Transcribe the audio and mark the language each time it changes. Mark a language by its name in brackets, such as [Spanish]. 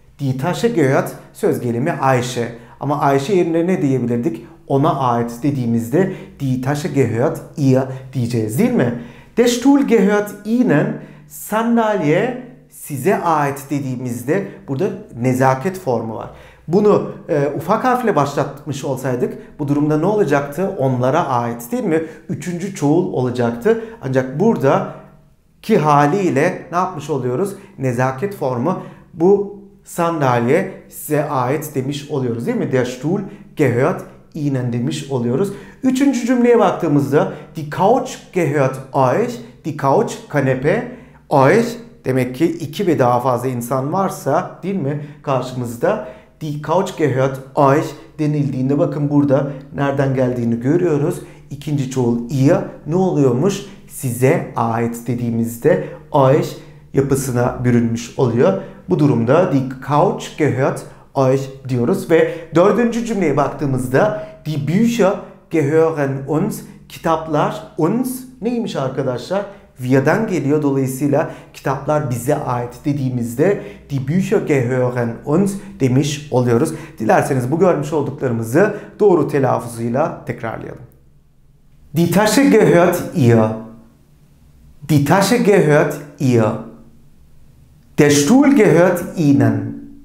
[German] Die Tasche gehört [Turkish] söz gelimi [German] Ayşe. [Turkish] Ama Ayşe yerine ne diyebilirdik? Ona ait dediğimizde [German] die Tasche gehört ihr [Turkish] diyeceğiz değil mi? [German] Der Stuhl gehört Ihnen. [Turkish] Sandalye size ait dediğimizde burada nezaket formu var. Bunu ufak harfle başlatmış olsaydık bu durumda ne olacaktı? Onlara ait değil mi? Üçüncü çoğul olacaktı. Ancak buradaki haliyle ne yapmış oluyoruz? Nezaket formu bu sandalye size ait demiş oluyoruz değil mi? [German] Der Stuhl gehört Ihnen [Turkish] demiş oluyoruz. Üçüncü cümleye baktığımızda [German] die Couch gehört euch. Die Couch [Turkish] kanepe euch. Demek ki iki ve daha fazla insan varsa değil mi karşımızda [German] die Couch gehört euch [Turkish] denildiğinde bakın burada nereden geldiğini görüyoruz. İkinci çoğul ihr ne oluyormuş? Size ait dediğimizde euch yapısına bürünmüş oluyor. Bu durumda [German] die Couch gehört euch [Turkish] diyoruz ve dördüncü cümleye baktığımızda [German] die Bücher gehören uns. [Turkish] Kitaplar uns neymiş arkadaşlar? Wir'dan geliyor. Dolayısıyla kitaplar bize ait dediğimizde [German] die Bücher gehören uns [Turkish] demiş oluyoruz. Dilerseniz bu görmüş olduklarımızı doğru telaffuzuyla tekrarlayalım. [German] Die Tasche gehört ihr. Die Tasche gehört ihr. Der Stuhl gehört Ihnen.